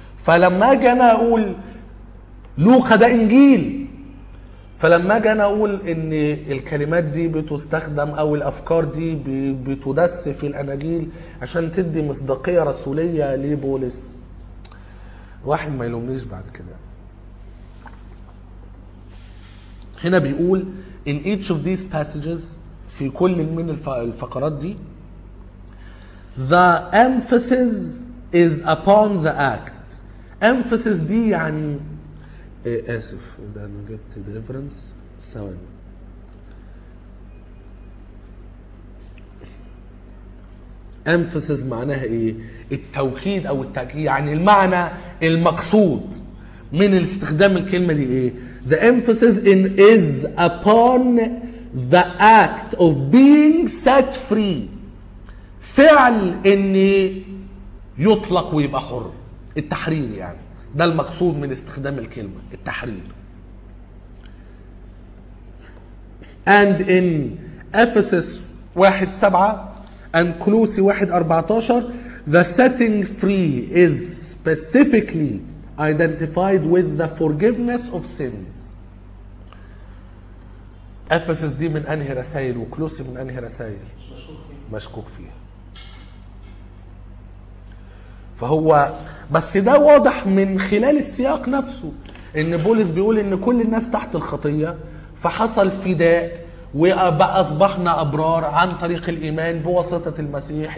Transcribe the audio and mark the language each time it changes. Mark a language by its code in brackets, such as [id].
[ar] فلما اجي انا اقول لوقا ده انجيل، فلما اجي انا اقول ان الكلمات دي بتستخدم او الافكار دي بتدس في الاناجيل عشان تدي مصداقية رسولية لبولس، واحد ما يلومنيش بعد كده. هنا بيقول [en] in each of these passages، [ar] في كل من الفقرات دي [en] the emphasis is upon the act. [ar] emphasis دي يعني إيه؟ آسف ده أنا جبت deliverance سوين. emphasis معناها إيه؟ التوكيد أو التأكيد، يعني المعنى المقصود من الاستخدام الكلمة دي إيه؟ [en] the emphasis in is upon the act of being set free. [ar] فعل اني يطلق ويبقى حر. التحرير يعني. ده المقصود من استخدام الكلمة. التحرير. [en] And in Ephesus 1:7 and Colossians 1:14, the setting free is specifically identified with the forgiveness of sins. [ar] Ephesus دي من أنهي رسائل وكلوسي من أنهي رسائل؟ مشكوك فيها. فهو بس ده واضح من خلال السياق نفسه إن بولس بيقول إن كل الناس تحت الخطية فحصل فداء وبقى أصبحنا أبرار عن طريق الإيمان بواسطة المسيح.